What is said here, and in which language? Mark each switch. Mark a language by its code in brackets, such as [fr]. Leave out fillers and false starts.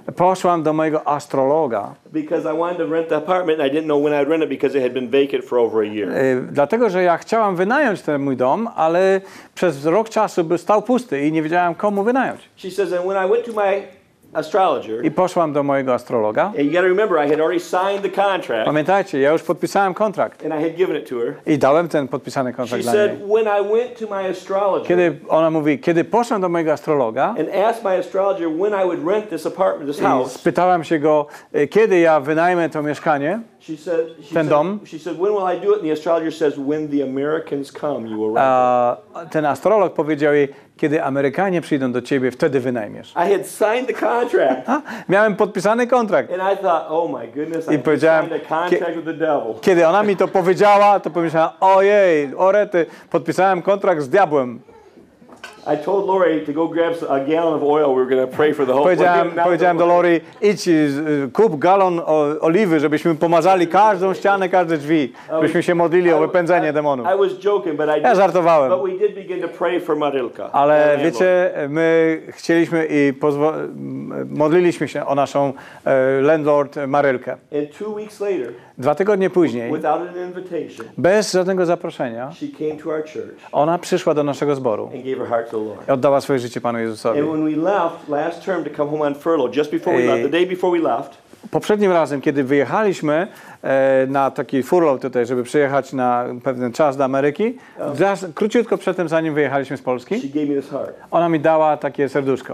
[pl] Poszłam do mojego astrologa. [en] Because I wanted to rent the apartment and I didn't know when I'd rent it because it had been vacant for over a year. [pl] Dlatego, że ja chciałam wynająć ten mój dom, ale przez rok czasu był stał pusty i nie wiedziałam, komu wynająć. [en] She says, and when I went to my astrologer. [pl] I poszłam do mojego astrologa. [en] And you got to remember, I had already signed the contract. [pl] Pamiętajcie, ja już podpisałem kontrakt. [en] And I had given it to her. [pl] I dałem ten podpisany kontrakt dla niej. [en] She said, when I went to my astrologer. [pl] Kiedy ona mówi, kiedy poszłam do mojego astrologa. [en] And asked my astrologer when I would rent this apartment, this house. [pl] Spytałam się go, kiedy ja wynajmę to mieszkanie. [en] She said, when will I do it? And the astrologer says, when the Americans come, you will rent it. [pl] Ten astrolog powiedział jej, kiedy Amerykanie przyjdą do ciebie, wtedy wynajmiesz. [en] I had signed the contract. [pl] Miałem podpisany kontrakt. [en] And I thought, oh my goodness, I signed a contract with the devil. [pl] Kiedy ona mi to powiedziała, to pomyślałem, ojej, orety, podpisałem kontrakt z diabłem. [en] I told Lori to go grab a gallon of oil. We were going to pray for the whole thing. [pl] Powiedziałem do Lori, idź, kup galon oliwy, żebyśmy pomazali każdą ścianę, każde drzwi, byśmy się modlili o wypędzenie demonów. [en] I was joking, but I [pl] ja żartowałem. [en] But we did begin to pray for Marylka. [pl] Ale wiecie, my chcieliśmy i modliliśmy się o naszą landlord Marylkę. [en] And 2 weeks later, [pl] dwa tygodnie później, [en] without an invitation, [pl] bez żadnego zaproszenia, [en] she came to our church, [pl] ona przyszła do naszego zboru [en] and gave her heart to the Lord. [pl] I oddała swoje życie Panu Jezusowi. [en] And when we left last term to come home on furlough, just before we left, the day before we left, [pl] poprzednim razem, kiedy wyjechaliśmy na taki furlough tutaj, żeby przyjechać na pewien czas do Ameryki, króciutko przedtem, zanim wyjechaliśmy z Polski, [en] she gave me this heart. [pl] Ona mi dała takie serduszko.